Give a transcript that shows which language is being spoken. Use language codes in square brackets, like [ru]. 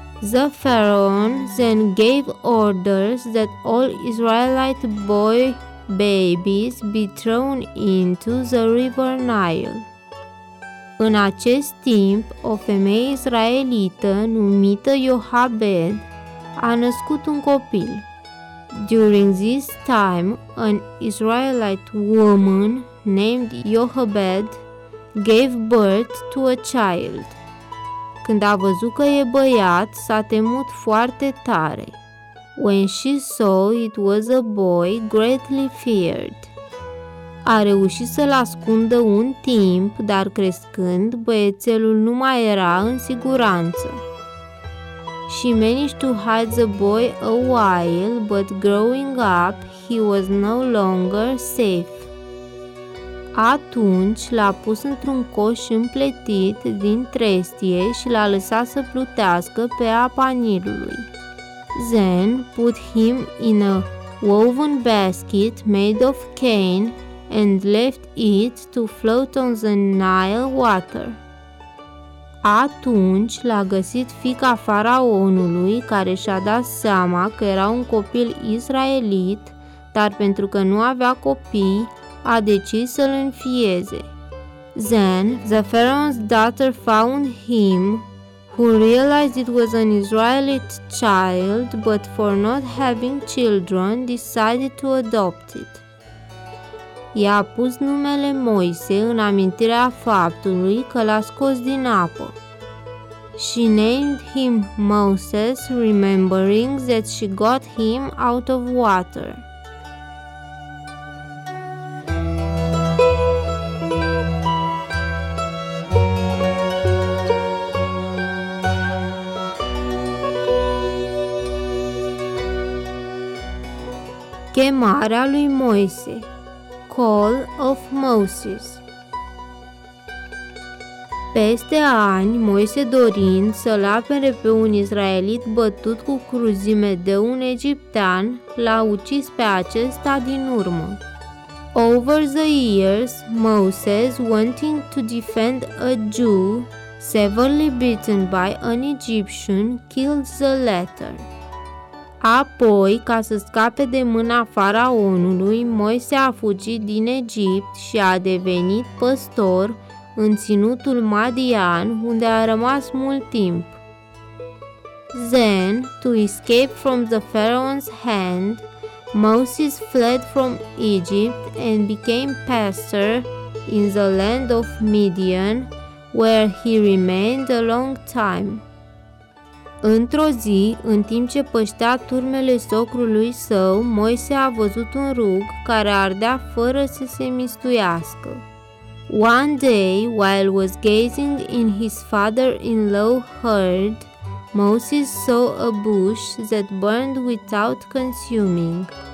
[en] The Pharaoh then gave orders that all Israelite boy babies be thrown into the river Nile. [ro] În acest timp, o femeie israelită numită Iohabed a născut un copil. [en] During this time, an Israelite woman named Jochebed gave birth to a child. [ro] Când a văzut că e băiat, s-a temut foarte tare. [en] When she saw it was a boy, greatly feared. [ro] A reușit să-l ascundă un timp, dar crescând, băiețelul nu mai era în siguranță. [en] She managed to hide the boy a while, but growing up, he was no longer safe. [ro] Atunci l-a pus într-un coș împletit din trestie și l-a lăsat să plutească pe apa Nilului. [en] Then put him in a woven basket made of cane and left it to float on the Nile water. [ro] Atunci l-a găsit fica faraonului, care și-a dat seama că era un copil israelit, dar pentru că nu avea copii, a decis să-l înfieze. [en] Then the pharaoh's daughter found him, who realized it was an Israelite child, but for not having children, decided to adopt it. [ro] I-a pus numele Moise în amintirea faptului că l-a scos din apă. [en] She named him Moses, remembering that she got him out of water. [ro] Chemarea lui Moise. [en] Call of Moses. [ro] Peste ani, Moise, dorind să-l apere pe un israelit bătut cu cruzime de un egiptean, l-a ucis pe acesta din urmă. [en] Over the years, Moses, wanting to defend a Jew, severely beaten by an Egyptian, killed the latter. [ro] Apoi, ca să scape de mâna faraonului, Moise a fugit din Egipt și a devenit păstor în ținutul Madian, unde a rămas mult timp. [en] Then, to escape from the Pharaoh's hand, Moses fled from Egypt and became pastor in the land of Midian, where he remained a long time. [ro] Într-o zi, în timp ce păștea turmele socrului său, Moise a văzut un rug care ardea fără să se mistuiască. [en] One day, while was gazing in his father-in-law herd, Moses saw a bush that burned without consuming.